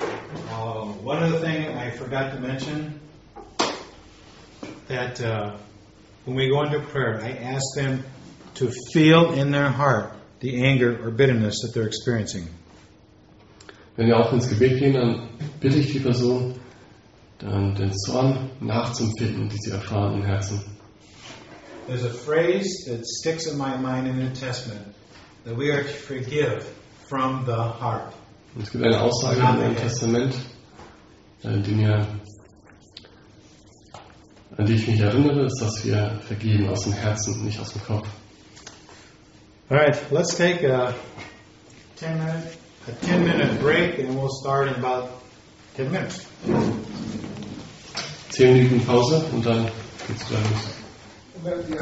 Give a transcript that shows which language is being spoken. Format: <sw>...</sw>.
<en>One other thing I forgot to mention, that when we go into prayer, I ask them to feel in their heart the anger or bitterness that they're experiencing.</en> <de>Wenn wir auch ins Gebet gehen, dann bitte ich die Person, dann den Zorn nachzufinden, die sie erfahren im Herzen.</de> <en>There's a phrase that sticks in my mind in the New Testament, that we are to forgive from the heart.</en> <de>Und es gibt eine Aussage im Neuen Testament, an die ich mich erinnere, ist, dass wir vergeben aus dem Herzen, nicht aus dem Kopf.</de> <en>Alright, let's take a 10 minute break and we'll start in about 10 minutes.</en> <de>10 Minuten Pause und dann geht's gleich los.</de>